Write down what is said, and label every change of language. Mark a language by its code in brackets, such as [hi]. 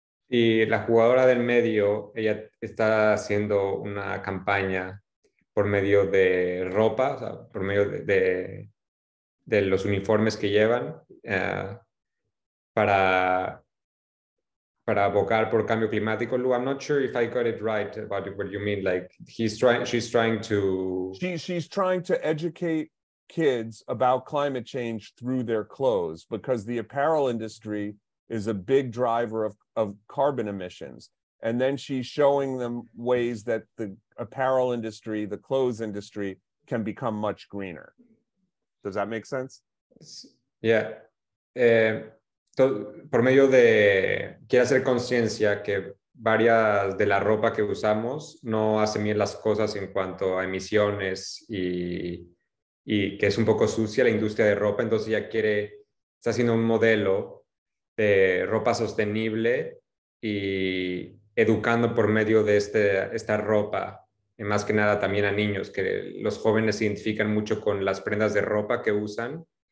[es] Y la jugadora del medio, ella está haciendo una campaña por medio de ropa, o sea, por medio de los uniformes que llevan para abogar por cambio climático. [en] Lou, I'm not sure if I got it right about what you mean. Like she's trying to educate kids about climate change through their clothes, because the apparel industry is a big driver of carbon emissions, And then she's showing them ways that the apparel industry, the clothes industry, can become much greener. Does that make sense? Yeah. [es] Por medio de, quiere hacer conciencia que varias de la ropa que usamos no hacen bien las cosas en cuanto a emisiones y que es un poco sucia la industria de ropa. Entonces ya quiere, está haciendo un modelo de ropa sostenible y educando por medio de esta ropa, y más que nada también a niños, que los jóvenes se identifican mucho con las prendas de ropa que usan.